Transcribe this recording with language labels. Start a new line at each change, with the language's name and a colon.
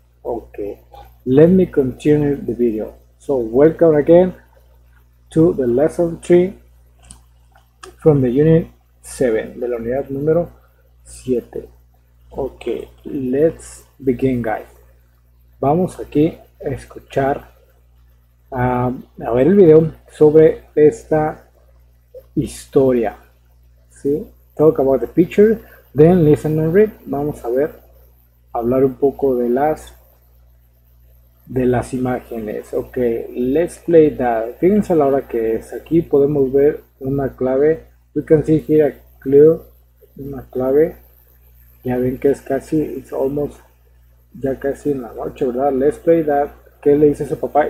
English: Ok, let me continue the video. So, welcome again to the lesson 3 from the unit 7,
Spanish: de la unidad número 7.
English: Ok, let's begin, guys.
Spanish: Vamos aquí a escuchar, a ver el video sobre esta historia. ¿Sí?
English: Talk about the picture, then listen and read.
Spanish: Vamos a ver, hablar un poco de las imágenes.
English: Ok, let's play that.
Spanish: Fíjense la hora que es. Aquí podemos ver una clave.
English: We can see here a clue,
Spanish: una clave. Ya ven que es casi,
English: it's almost,
Spanish: ya casi en la noche, ¿verdad?
English: Let's play that.
Spanish: ¿Qué le dice a su papá?